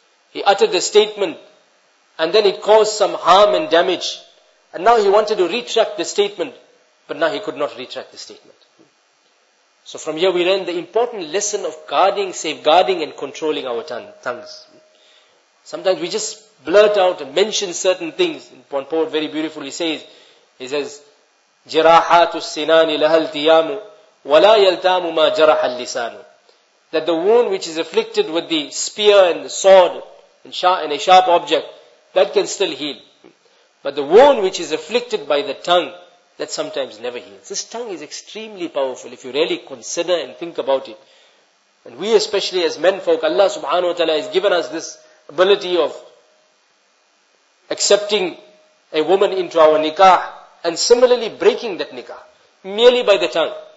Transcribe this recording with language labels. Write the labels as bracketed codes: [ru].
[en] He uttered a statement, and then it caused some harm and damage. And now he wanted to retract the statement, but now he could not retract the statement." So from here we learn the important lesson of guarding, safeguarding and controlling our tongues. Sometimes we just blurt out and mention certain things. One poet very beautifully says, he says, [ar] جِرَاحَاتُ السِّنَانِ لَهَا الْتِيَامُ وَلَا يَلْتَامُ مَا جَرَحَ اللِّسَانُ. [en] That the wound which is afflicted with the spear and the sword and a sharp object, that can still heal. But the wound which is afflicted by the tongue, that sometimes never heals. This tongue is extremely powerful if you really consider and think about it. And we especially as men folk, Allah subhanahu wa ta'ala has given us this ability of accepting a woman into our nikah and similarly breaking that nikah merely by the tongue.